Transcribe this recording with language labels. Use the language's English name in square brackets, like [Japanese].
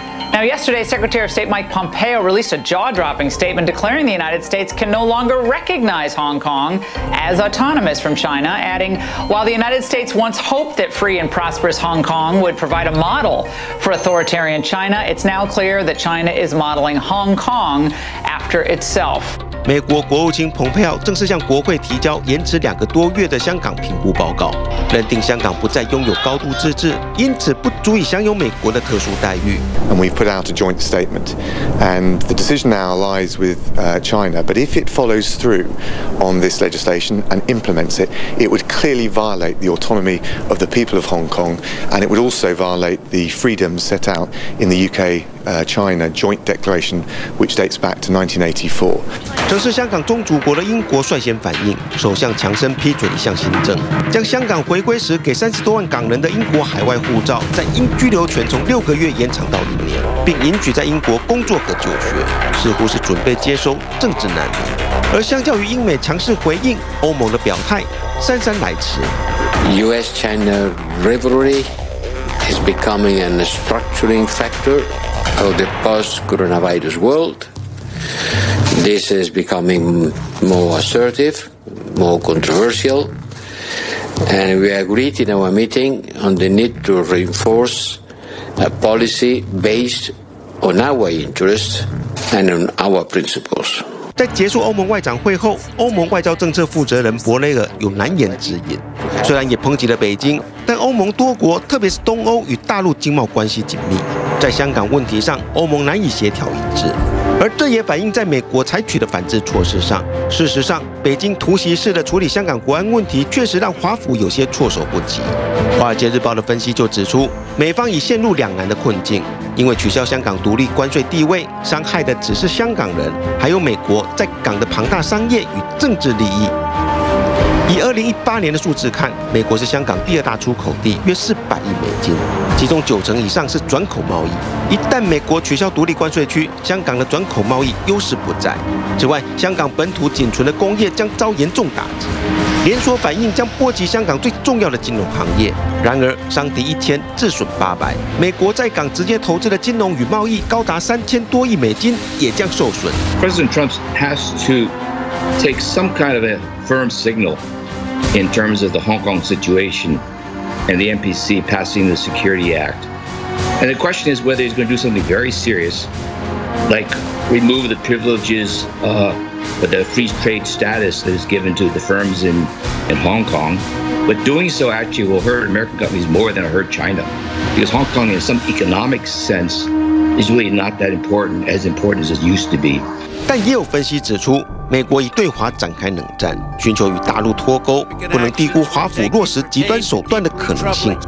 [English] Now, yesterday, Secretary of State Mike Pompeo released a jaw-dropping statement declaring the United States can no longer recognize Hong Kong as autonomous from China, adding, while the United States once hoped that free and prosperous Hong Kong would provide a model for authoritarian China, it's now clear that China is modeling Hong Kong after itself. [Chinese] 美国国务卿蓬佩奥正式向国会提交延迟两个多月的香港评估报告，认定香港不再拥有高度自治，因此不足以享有美国的特殊待遇。 [English] And we've put out a joint statement, and the decision now lies with China. But if it follows through on this legislation and implements it, it would clearly violate the autonomy of the people of Hong Kong, and it would also violate the freedoms set out in the UK. China Joint Declaration, which dates back to 1984. [Chinese] 这是香港宗主国的英国率先反应，首相强生批准一项新政，将香港回归时给30多万港人的英国海外护照，在英居留权从6个月延长到1年，并允许在英国工作和就学，似乎是准备接收政治难民。而相较于英美强势回应，欧盟的表态姗姗来迟。 [English] U.S.-China rivalry is becoming a structuring factor. Of the post-coronavirus world. This is becoming more assertive, more controversial, and we agreed in our meeting on the need to reinforce a policy based on our interests and on our principles. [Chinese] 在结束欧盟外长会后，欧盟外交政策负责人博雷尔有难言之隐。虽然也抨击了北京，但欧盟多国，特别是东欧与大陆经贸关系紧密，在香港问题上，欧盟难以协调一致。而这也反映在美国采取的反制措施上。事实上，北京突袭式的处理香港国安问题，确实让华府有些措手不及。 《华尔街日报》的分析就指出，美方已陷入两难的困境。因为取消香港独立关税地位，伤害的只是香港人，还有美国在港的庞大商业与政治利益。以2018年的数字看，美国是香港第二大出口地，约400亿美金，其中90%以上是转口贸易。一旦美国取消独立关税区，香港的转口贸易优势不在。此外，香港本土仅存的工业将遭严重打击，连锁反应将波及香港最重要的金融行业。然而，伤敌1000，自损800，美国在港直接投资的金融与贸易高达3000多亿美金，也将受损。 [English] President Trump has to take some kind of a firm signal in terms of the Hong Kong situation and the NPC passing the Security Act. And the question is whether he's going to do something very serious, like remove the privileges of the free trade status that is given to the firms in Hong Kong. But doing so actually will hurt American companies more than it hurt China. Because Hong Kong, in some economic sense, is really not that important as it used to be. [Chinese] 但也有分析指出，美国已对华展开冷战，寻求与大陆脱钩，不能低估华府落实极端手段的可能性。